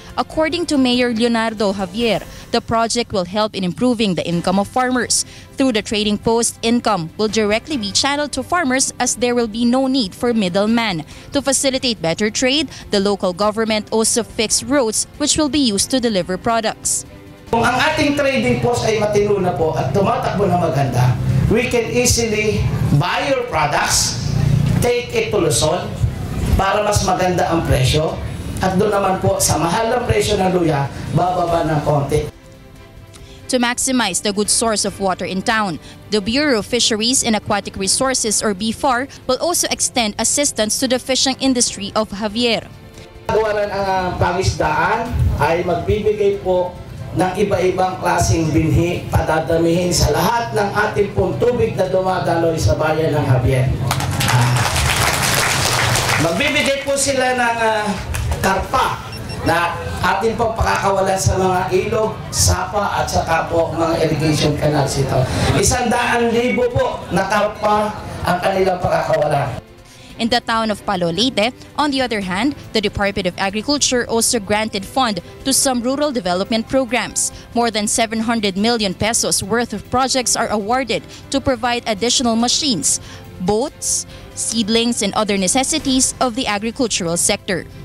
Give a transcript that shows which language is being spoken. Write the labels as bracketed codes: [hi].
[en] According to Mayor Leonardo Javier, the project will help in improving the income of farmers. Through the trading post, income will directly be channeled to farmers as there will be no need for middlemen. To facilitate better trade, the local government also fixed roads which will be used to deliver products. [tl] Kung ang ating trading post ay matino na po at tumatakbo na maganda, [en] we can easily buy your products, take it to Luzon [tl] para mas maganda ang presyo, at doon naman po sa mahal ng presyo ng luya, bababa ng konti. [en] To maximize the good source of water in town, the Bureau of Fisheries and Aquatic Resources, or BFAR, will also extend assistance to the fishing industry of Javier. [tl] Gawaran ang pangisdaan ay magbibigay po ng iba-ibang klaseng binhi padadamihin sa lahat ng ating pong tubig na dumadaloy sa bayan ng Javier. Magbibigay po sila ng karpa na atin pong pakakawalan sa mga ilog, sapa at saka po mga irrigation canals ito. 100,000 po na karpa ang kanilang pakakawalan. [en] In the town of Palo, Leyte, on the other hand, the Department of Agriculture also granted fund to some rural development programs. More than 700 million pesos worth of projects are awarded to provide additional machines, boats, seedlings, and other necessities of the agricultural sector.